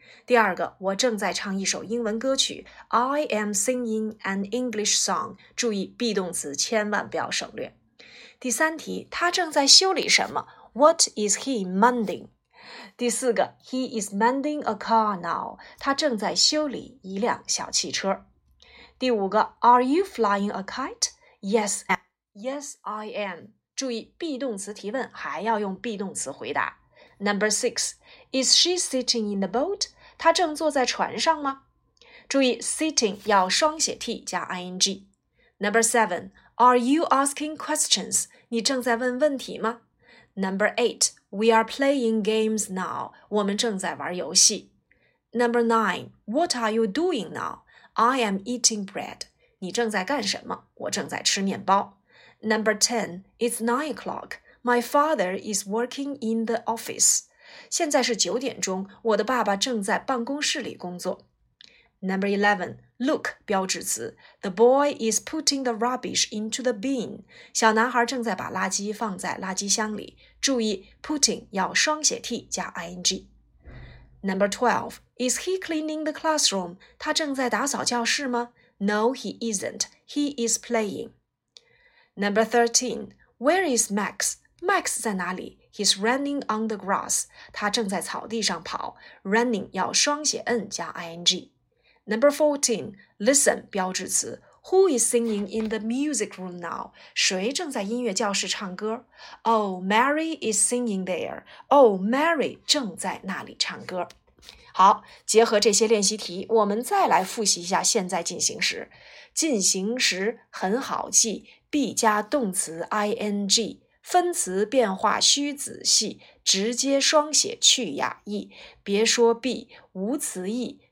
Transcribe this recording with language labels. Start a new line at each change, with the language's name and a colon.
Chinese: 第二个，我正在唱一首英文歌曲 ,
English: I am singing an English song,
Chinese: 注意 be 动词千万不要省略。第三题，他正在修理什么 ?
English: What is he mending?
Chinese: 第四个 ,
English: He is mending a car now,
Chinese: 他正在修理一辆小汽车。第五个
English: ,Are you flying a kite? Yes, I am.
Chinese: 注意 ,be 动词提问还要用 be 动词回答。
English: Number six, is she sitting in the boat?
Chinese: 他正坐在船上吗？注意 ,sitting 要双写 t 加 ing。
English: Number seven, are you asking questions?
Chinese: 你正在问问题吗？
English: Number eight, we are playing games now.
Chinese: 我们正在玩游戏。
English: Number nine, what are you doing now? I am eating bread.
Chinese: 你正在干什么？我正在吃面包。
English: Number ten, it's 9 o'clock. My father is working in the office.
Chinese: 现在是九点钟，我的爸爸正在办公室里工作。
English: Number 11, look,
Chinese: 标志词。
English: The boy is putting the rubbish into the bin.
Chinese: 小男孩正在把垃圾放在垃圾箱里。注意 ,putting 要双写 t 加 ing。
English: Number 12, is he cleaning the classroom?
Chinese: 他正在打扫教室吗 ?
English: No, he isn't. He is playing. Number 13, where is Max? Max
Chinese: 在哪里
English: ?He's running on the grass.
Chinese: 他正在草地上跑。
English: Running
Chinese: 要双写
English: n 加 ing。 Number 14, listen,
Chinese: 标志词。
English: Who is singing in the music room now?
Chinese: 谁正在音乐教室唱歌
English: ?Oh, Mary is singing there.
Chinese: Oh, Mary 正在那里唱歌。好，结合这些练习题，我们再来复习一下现在进行时。进行时很好记 ,be 加动词 ing, 分词变化需仔细，直接双写去哑 e, 别说 be, 无词义。